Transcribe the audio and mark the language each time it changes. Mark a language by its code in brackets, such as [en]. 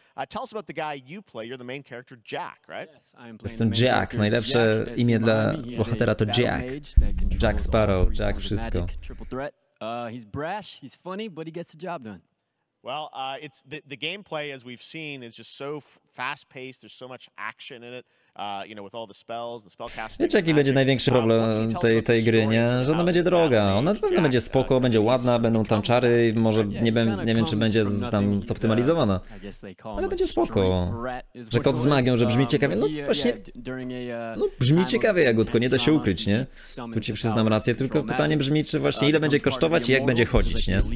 [en] Tell us about the guy you play. You're the main character Jack, right? Yes, I'm playing the main Jack. [pl] Najlepsze Jack imię dla bohatera to Jack. Jack Sparrow, Jack wszystko. [en] He's brash, he's funny, but he gets the job done. Well, it's the gameplay as we've seen is just so fast-paced. There's so much action in it. You know, with all the spells, the spell casting. [pl] Wiecie, jaki będzie największy problem tej gry, nie? Że ona będzie droga. Ona na pewno będzie spoko, będzie ładna, będą tam czary, może nie wiem, czy będzie tam zoptymalizowana. Ale będzie spoko. Że kot z magią, że brzmi ciekawie. No właśnie. No brzmi ciekawie, Jagódko, nie da się ukryć, nie? Tu ci przyznam rację, tylko pytanie brzmi, czy właśnie ile będzie kosztować i jak będzie chodzić, nie?